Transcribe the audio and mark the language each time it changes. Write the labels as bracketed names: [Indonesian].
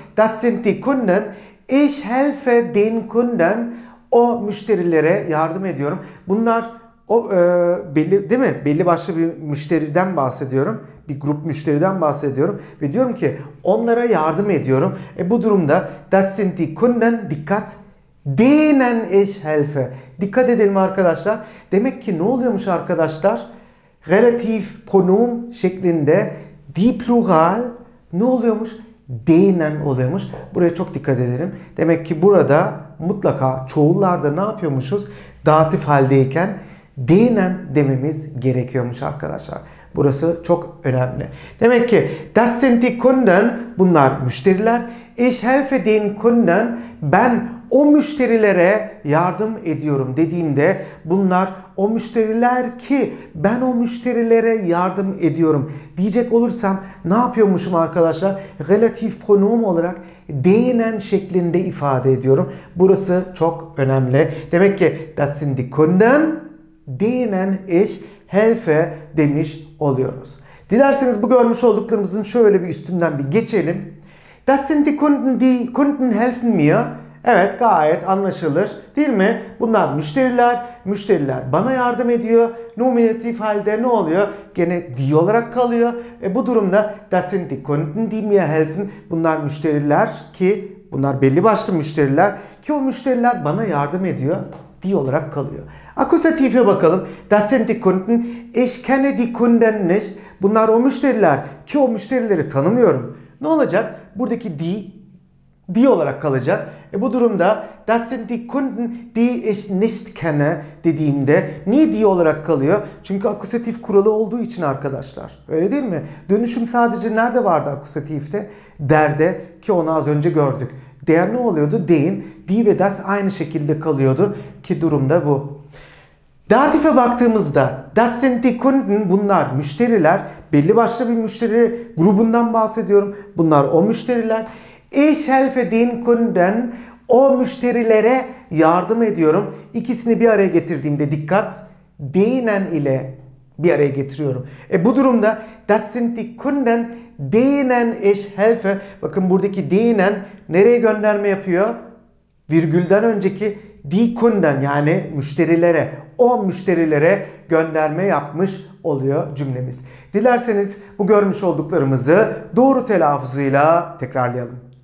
[German] Das sind die Kunden. Ich helfe den Kunden. [Turkish] O müşterilere yardım ediyorum. Bunlar o belli değil mi? Belli başlı bir müşteriden bahsediyorum. Bir grup müşteriden bahsediyorum ve diyorum ki onlara yardım ediyorum. Bu durumda [German] das sind die Kunden, [Turkish] dikkat, [German] denen ich helfe. [Turkish] Dikkat edelim arkadaşlar. Demek ki ne oluyormuş arkadaşlar? Relatif pronom şeklinde die plural ne oluyormuş? Denen oluyormuş. Buraya çok dikkat edelim. Demek ki burada mutlaka çoğullarda ne yapıyormuşuz? Datif haldeyken denen dememiz gerekiyormuş arkadaşlar. Burası çok önemli. Demek ki [German] das sind die Kunden, [Turkish] bunlar müşteriler. [German] Ich helfe den Kunden, [Turkish] ben o müşterilere yardım ediyorum dediğimde bunlar o müşteriler ki ben o müşterilere yardım ediyorum diyecek olursam ne yapıyormuşum arkadaşlar? Relatif pronom olarak denen şeklinde ifade ediyorum. Burası çok önemli. Demek ki [German] das sind die Kunden, denen ich helfe [Turkish] demiş oluyoruz. Dilerseniz bu görmüş olduklarımızın şöyle bir üstünden bir geçelim. [German] Das sind die Kunden, die Kunden helfen mir. [Turkish] Evet, gayet anlaşılır değil mi? Bunlar müşteriler, müşteriler bana yardım ediyor. Nominatif halde ne oluyor? Gene die olarak kalıyor. Bu durumda [German] das sind die Kunden, die mir helfen. [Turkish] Bunlar müşteriler ki, bunlar belli başlı müşteriler ki o müşteriler bana yardım ediyor. Die olarak kalıyor. Akusatife bakalım. [German] Das sind die Kunden, ich kenne die Kunden nicht. [Turkish] Bunlar o müşteriler ki o müşterileri tanımıyorum. Ne olacak? Buradaki die, die olarak kalacak. Bu durumda [German] das sind die Kunden, die ich nicht kenne [Turkish] dediğimde niye die olarak kalıyor? Çünkü akusatif kuralı olduğu için arkadaşlar. Öyle değil mi? Dönüşüm sadece nerede vardı akusatifte? Der'de, ki onu az önce gördük. Der ne oluyordu? Deyin. Die ve das aynı şekilde kalıyordu, ki durumda bu. Datif'e baktığımızda [German] das sind die Kunden, [Turkish] bunlar müşteriler. Belli başlı bir müşteri grubundan bahsediyorum. Bunlar o müşteriler. [German] Ich helfe den Kunden, [Turkish] o müşterilere yardım ediyorum. İkisini bir araya getirdiğimde dikkat, denen ile bir araya getiriyorum. Bu durumda [German] das sind die Kunden, denen ich helfe. [Turkish] Bakın buradaki denen nereye gönderme yapıyor? Virgülden önceki die Kunden, yani müşterilere, o müşterilere gönderme yapmış oluyor cümlemiz. Dilerseniz bu görmüş olduklarımızı doğru telaffuzuyla tekrarlayalım.